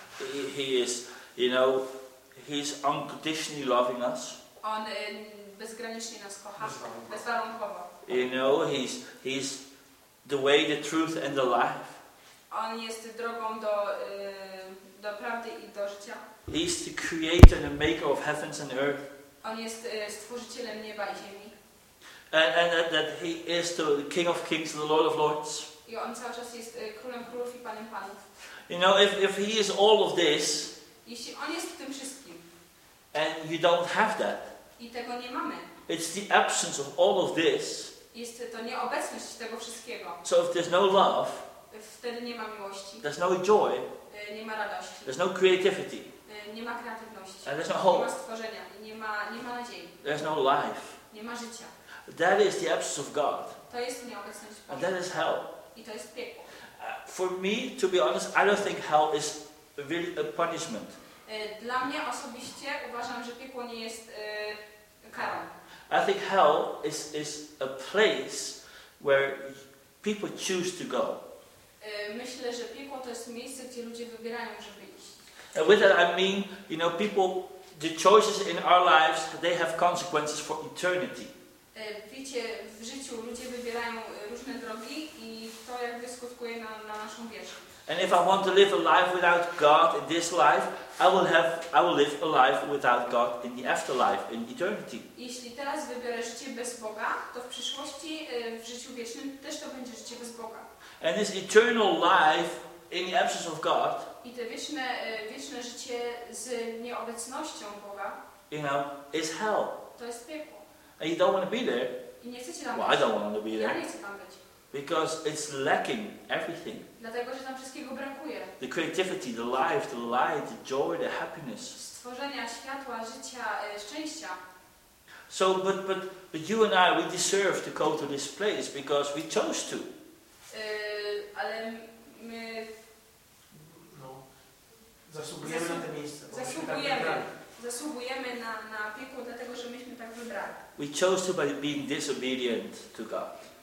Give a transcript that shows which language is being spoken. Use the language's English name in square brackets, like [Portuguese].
[English] He is, you know, He is unconditionally loving us, [Polish] on bezgranicznie nas kocha, bezwarunkowo, [English] you know, he's the way, the truth and the life, [Polish] on jest drogą do prawdy i do życia. [English] He is the creator and the maker of heavens and earth. [Polish] On jest stworzycielem nieba i ziemi. [English] And that he is the King of Kings and the Lord of Lords. [Polish] I on cały czas jest królem królów i panem panów. [English] You know, if he is all of this. [Polish] Jeśli on jest tym wszystkim. [English] And you don't have that. [Polish] I tego nie mamy. [English] It's the absence of all of this. [Polish] Jest to nieobecność tego wszystkiego. [English] So if there's no love. [Polish] Wtedy nie ma miłości. [English] There's no joy. [Polish] Nie ma radości. [English] There's no creativity. [Polish] Nie ma kreatywności. [English] And there's no hope. [Polish] Nie ma stworzenia. Nie ma nadziei. [English] There's no life. [Polish] Nie ma życia. [English] That is the absence of God. [Polish] To jest nieobecność Boga. [English] And that is hell. [Polish] I to jest piekło. [English] For me, to be honest, I don't think hell is really a punishment. [Polish] Dla mnie osobiście uważam, że piekło nie jest karą. [English] I think hell is a place where people choose to go. [Polish] Myślę, że piekło to jest miejsce, gdzie ludzie wybierają, żeby iść. [English] And with that I mean, you know, people the choices in our lives, they have consequences for eternity. [Polish] Wiecie, w życiu ludzie wybierają różne drogi i to jakby skutkuje na naszą wieczność. [English] And if I want to live a life without God in this life, I will live a life without God in the afterlife, in eternity. [Polish] Jeśli teraz wybiorę życie bez Boga, to w przyszłości, w życiu wiecznym, też to będzie życie bez Boga. [English] And this eternal life in the absence of God. [Polish] I to wieczne życie z nieobecnością Boga. [English] You know, is hell. [Polish] To jest piekło. [English] And you don't want to be there. [Polish] I nie chcecie tam [English] well, [Polish] być. [English] I don't want to be there. [Polish] Ja nie chcę tam być. [English] Because it's lacking everything. [Polish] Dlatego, że tam wszystkiego brakuje. [English] The creativity, the life, the light, the joy, the happiness. [Polish] Stworzenia, światła, życia, szczęścia. [English] So, but you and I, we deserve to go to this place because we chose to. [Polish] Ale my... No. Zasługujemy na te miejsce. Zasługujemy na piekło, dlatego, że myśmy tak wybrali. [English] We chose to by being disobedient to God.